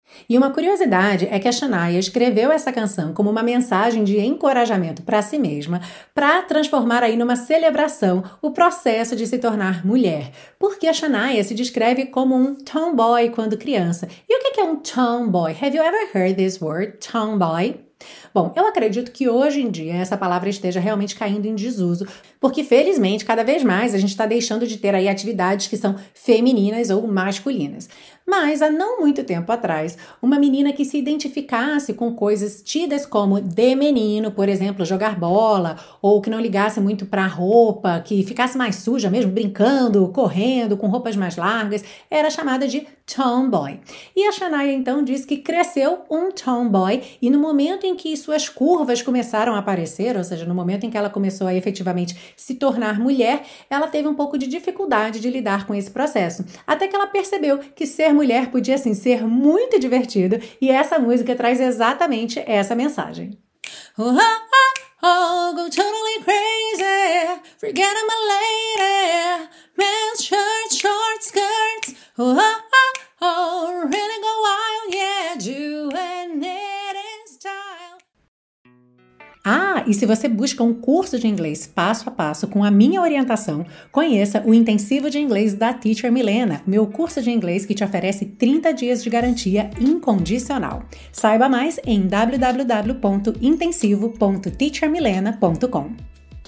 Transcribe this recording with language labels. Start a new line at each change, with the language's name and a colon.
Portuguese: E uma curiosidade é que a Shania escreveu essa canção como uma mensagem de encorajamento para si mesma, para transformar aí numa celebração o processo de se tornar mulher. Porque a Shania se descreve como um tomboy quando criança. E o que é um tomboy?
English: Have you ever heard this word, tomboy?
Portuguese: Bom, eu acredito que hoje em dia essa palavra esteja realmente caindo em desuso, porque felizmente cada vez mais a gente está deixando de ter aí atividades que são femininas ou masculinas. Mas há não muito tempo atrás, uma menina que se identificasse com coisas tidas como de menino, por exemplo, jogar bola, ou que não ligasse muito para roupa, que ficasse mais suja mesmo, brincando, correndo, com roupas mais largas, era chamada de tomboy. E a Shania então disse que cresceu um tomboy e no momento em que suas curvas começaram a aparecer, ou seja, no momento em que ela começou a efetivamente se tornar mulher, ela teve um pouco de dificuldade de lidar com esse processo. Até que ela percebeu que ser mulher podia sim ser muito divertido e essa música traz exatamente essa mensagem.
English: Oh, go totally crazy, forget I'm a lady, men's shirts, short skirts, oh, oh, oh, really go wild, yeah, doing it in style.
Portuguese: Ah, e se você busca um curso de inglês passo a passo com a minha orientação, conheça o Intensivo de Inglês da Teacher Milena, meu curso de inglês que te oferece 30 dias de garantia incondicional. Saiba mais em www.intensivo.teachermilena.com.